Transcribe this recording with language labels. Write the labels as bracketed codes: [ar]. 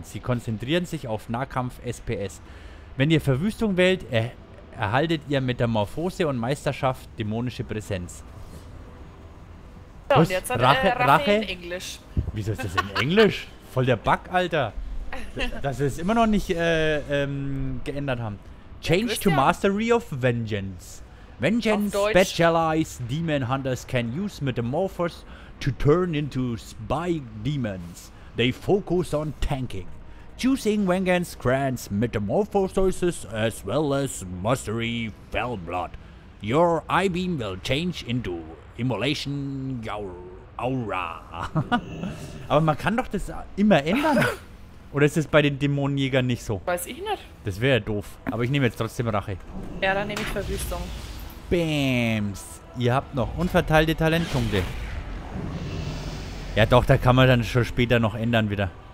[de] Sie konzentrieren sich auf Nahkampf SPS. Wenn ihr Verwüstung wählt, erhaltet ihr Metamorphose und Meisterschaft dämonische Präsenz. Ja, und jetzt hat Rache in Englisch. Wieso ist das in Englisch? Voll der Bug, Alter. Dass wir es immer noch nicht geändert haben. [en] Change to Mastery of Vengeance. Vengeance Specialized Demon Hunters can use metamorphos to turn into spy demons. They focus on tanking. Choosing Vengeance grants metamorphosis as well as mastery fell blood. Your I-beam will change into Immolation Aura. [de] Aber man kann doch das immer ändern. Oder ist es bei den Dämonenjägern nicht so? Weiß ich nicht. Das wäre ja doof. Aber ich nehme jetzt trotzdem Rache. Ja, dann nehme ich Verwüstung. Bams. Ihr habt noch unverteilte Talentpunkte. Ja doch, da kann man dann schon später noch ändern wieder.